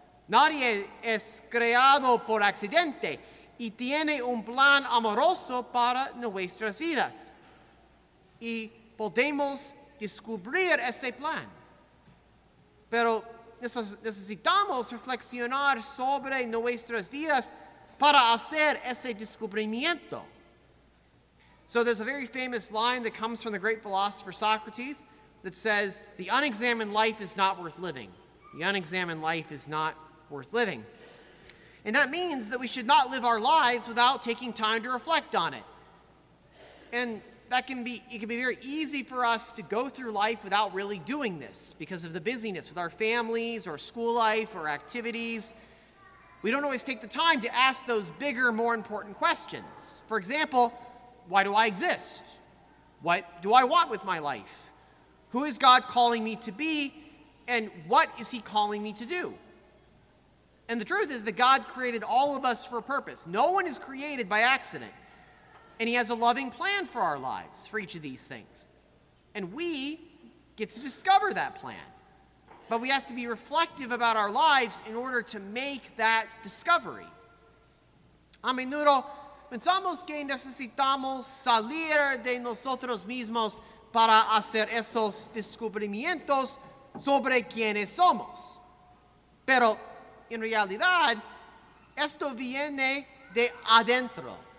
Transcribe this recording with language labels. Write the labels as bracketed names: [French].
[Spanish] Nadie es creado por accidente y tiene un plan amoroso para nuestras vidas. Y podemos descubrir ese plan. Pero necesitamos reflexionar sobre nuestras vidas para hacer ese descubrimiento. [English] So there's a very famous line that comes from the great philosopher Socrates that says, the unexamined life is not worth living. The unexamined life is not worth living. And that means that we should not live our lives without taking time to reflect on it. And that can be, it can be very easy for us to go through life without really doing this because of the busyness with our families or school life or activities. We don't always take the time to ask those bigger, more important questions. For example, why do I exist? What do I want with my life? Who is God calling me to be? And what is He calling me to do? And the truth is that God created all of us for a purpose. No one is created by accident. And He has a loving plan for our lives, for each of these things. And we get to discover that plan. But we have to be reflective about our lives in order to make that discovery. [Spanish] A menudo pensamos que necesitamos salir de nosotros mismos para hacer esos descubrimientos sobre quiénes somos. Pero en realidad, esto viene de adentro.